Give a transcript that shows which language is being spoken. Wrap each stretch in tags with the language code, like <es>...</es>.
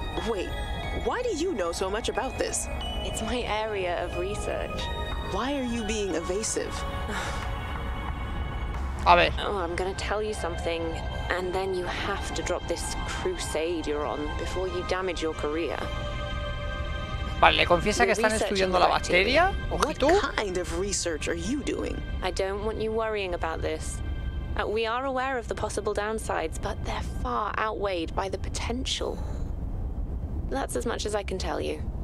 <en>Wait, why do you know so much about this? It's my area of research. Why are you being evasive?</en> <es>A ver.</es> <en>Oh, I'm gonna tell you something, and then you have to drop this crusade you're on before you damage your career.</en> <es>Vale, le confiesa que están estudiando la bacteria. Ojito.</es> <en>What kind of research are you doing? I don't want you worrying about this. We are aware of the possible downsides, but they're far outweighed by the potential. That's as much as I can tell you.</en>